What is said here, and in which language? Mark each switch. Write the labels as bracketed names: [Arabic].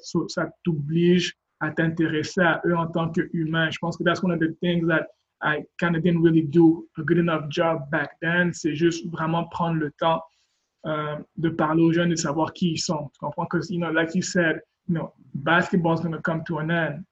[French] So, ça t'oblige à t'intéresser à eux en tant qu'humains. Je pense que [English] that's one of the things that I kind of didn't really do a good enough job back then. [French] C'est juste vraiment prendre le temps de parler aux jeunes, de savoir qui ils sont. Tu comprends? [English] Because, you know, like you said, you know, basketball is going to come to an end.